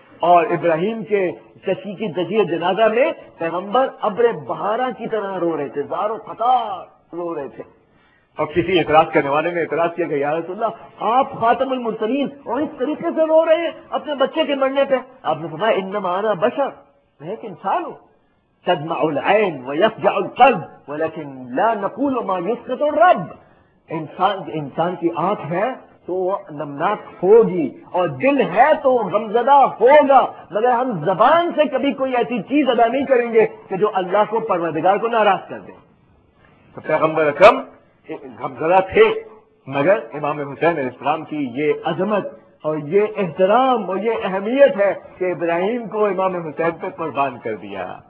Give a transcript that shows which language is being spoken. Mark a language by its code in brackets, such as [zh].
[ur] اور ابراہیم کے چچی کی دجیہ جنازہ میں پیغمبر ابر بہارا کی طرح رو رہے تھے، زار و قطار رو رہے تھے. اور کسی اعتراض کرنے والے نے اعتراض کیا کہ یا رسول اللہ، آپ خاتم المرسلین اور اس طریقے سے رو رہے ہیں اپنے بچے کے مرنے پہ؟ آپ نے فرمایا [ar] انما انا بشر، [ur] میں ایک انسان ہوں. [ar] تدمع العین ویفجع القلب ولكن لا نقول ما يسقط الرب، [ur] انسان کی آنکھ ہے تو وہ نمناک ہوگی اور دل ہے تو غمزدہ ہوگا، مگر ہم زبان سے کبھی کوئی ایسی چیز ادا نہیں کریں گے کہ جو اللہ کو، پروردگار کو ناراض کر دے. تو پیغمبر اکرم غمزدہ تھے، مگر امام حسین علیہ السلام کی یہ عظمت اور یہ احترام اور یہ اہمیت ہے کہ ابراہیم کو امام حسین پہ قربان کر دیا.